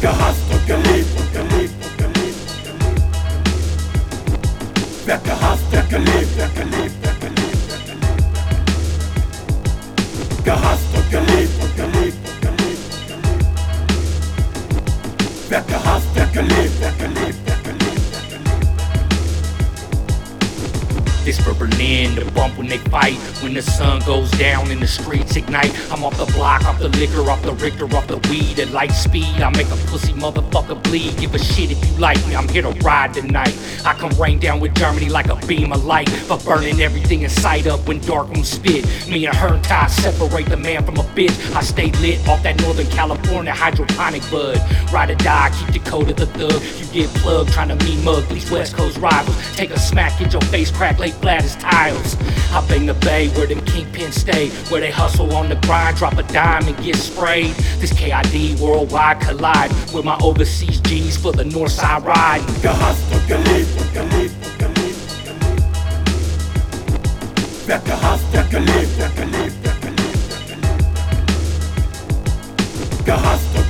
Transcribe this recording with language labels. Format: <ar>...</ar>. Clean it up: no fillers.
<de>Gehasst und geliebt, und geliebt, und geliebt, und geliebt. Wer gehasst, wer geliebt, wer geliebt, wer geliebt, wer geliebt. gehasst und geliebt. Wer gehasst, wer geliebt, wer geliebt.</de> <en>It's for Berlin to bump when they fight. When the sun goes down and the streets ignite, I'm off the block, off the liquor, off the Richter, off the weed at light speed. I make a pussy motherfucker bleed. Give a shit if you like me, I'm here to ride tonight. I come rain down with Germany like a beam of light, but burning everything in sight up when dark moon spit. Me and her ties separate the man from a bitch. I stay lit off that Northern California hydroponic bud. Ride or die, keep Dakota the thug. You get plugged trying to meet mug these West Coast rivals. Take a smack, get your face cracked, flat as tiles. I bang the bay where them kingpins stay, where they hustle on the grind, drop a dime and get sprayed. This KID worldwide collide with my overseas G's for the north side ride.</en> <de>Gehasst und geliebt, und geliebt, und geliebt, und geliebt. Wer gehasst, wer geliebt, wer geliebt, wer geliebt, wer geliebt. Gehasst.</de>